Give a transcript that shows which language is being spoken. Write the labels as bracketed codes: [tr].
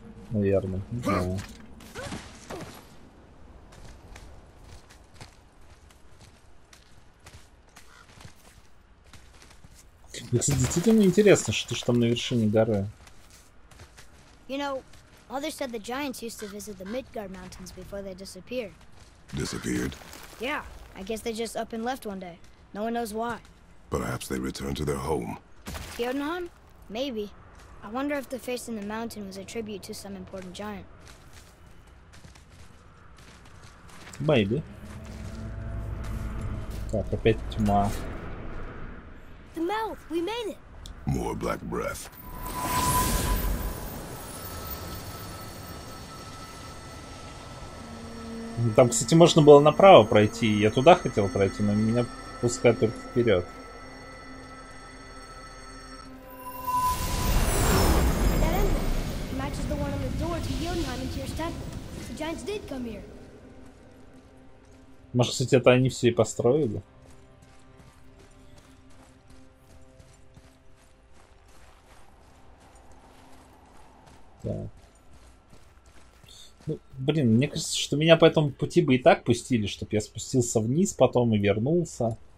[ru] Наверное. Да. Мне, кстати, действительно интересно, что ж там на вершине горы. [en] You know, others said the giants used to visit the Midgard mountains before they disappeared. Disappeared? Yeah, I guess they just up and left one day. No one knows why. Perhaps they returned to their home. Fjordnheim? Maybe. I wonder if the face in the mountain was a tribute to some important giant. Maybe. [ru] Так, опять тьма. [en] The mouth! We made it! More black breath. [ru] Там, кстати, можно было направо пройти. Я туда хотел пройти, но меня пускают только вперед. [en] That emblem matches the one on the door to Jotunheim into your temple. The giants did come here. [ru] Может, кстати, это они все и построили? Ну, блин, мне кажется, что меня по этому пути бы и так пустили, чтобы я спустился вниз потом и вернулся.